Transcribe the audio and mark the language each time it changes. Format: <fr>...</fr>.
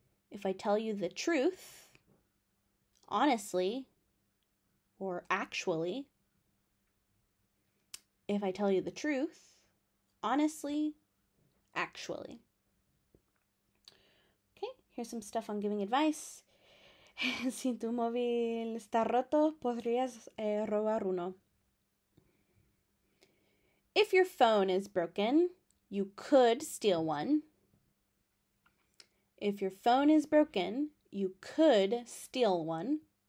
<en>If I tell you the truth, honestly, or actually. If I tell you the truth, honestly, actually. Okay, here's some stuff on giving advice.</en> <es>Si tu móvil está roto, podrías robar uno.</es> <en>If your phone is broken, you could steal one. If your phone is broken, you could steal one.</en>